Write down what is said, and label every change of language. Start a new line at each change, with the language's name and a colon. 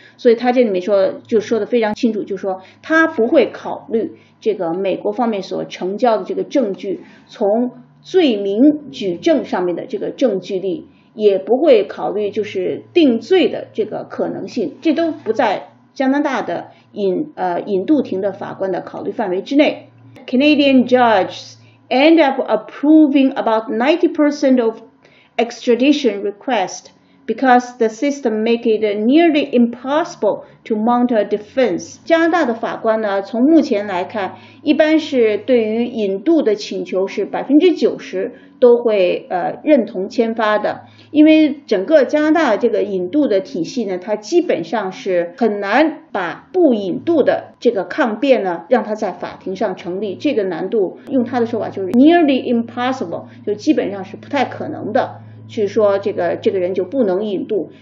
Chinese: 所以他这里面说就说的非常清楚，就说他不会考虑这个美国方面所成交的这个证据从罪名举证上面的这个证据力，也不会考虑就是定罪的这个可能性，这都不在加拿大的引渡庭的法官的考虑范围之内。
English: Canadian judges end up approving about 90% of extradition requests because the system make it nearly impossible to mount a defense。
Chinese: 加拿大的法官呢，从目前来看一般是对于引渡的请求是 90% 都会认同签发的。因为整个加拿大这个引渡的体系呢，它基本上是很难把不引渡的这个抗辩呢让它在法庭上成立，这个难度用他的说法就是
English: nearly impossible，
Chinese: 就基本上是不太可能的去说这个人就不能引渡。